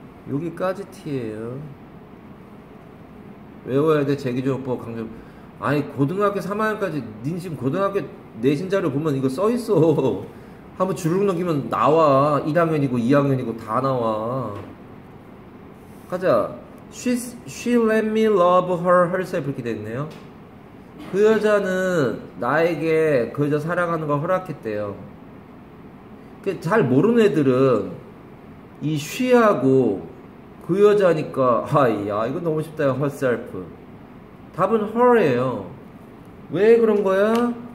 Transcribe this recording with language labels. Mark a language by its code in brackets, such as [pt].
[ko] 여기까지 T예요. 외워야 돼. 제기존 용법 강조. 아니 고등학교 3학년까지 닌 지금 고등학교 내신 자료 보면 이거 써 있어. 한번 주르륵 넘기면 나와. 1학년이고 2학년이고 다 나와. 가자. [en] She let me love herself [ko] 이렇게 됐네요. 그 여자는 나에게 그 여자 사랑하는 걸 허락했대요. 잘 모르는 애들은 이 she하고 그 여자니까 아야 이거 너무 쉽다. herself 답은 her예요. 왜 그런 거야?